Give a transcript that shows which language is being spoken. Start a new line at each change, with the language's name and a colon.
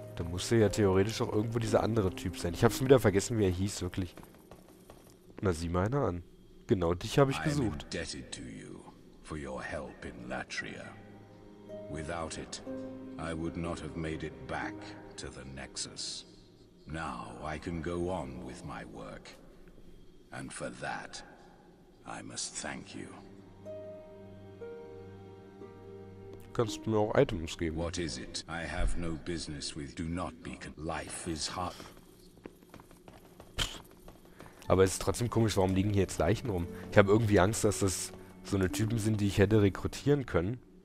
German: Müsste ja theoretisch auch irgendwo dieser andere Typ sein. Ich hab's wieder vergessen, wie er hieß, wirklich. Na, sieh mal einer an. Genau dich habe ich gesucht.
English: I am indebted to you for your help in Latria. Without it, I would not have made it back to the Nexus. Now I can go on with my work. And for that, I must thank you.
German: Kannst du mir auch Items geben?
English: What is it? I have no business with. Do not be. Life is hard.
German: Aber es ist trotzdem komisch, warum liegen hier jetzt Leichen rum? Ich habe irgendwie Angst, dass das so eine Typen sind, die ich hätte rekrutieren können.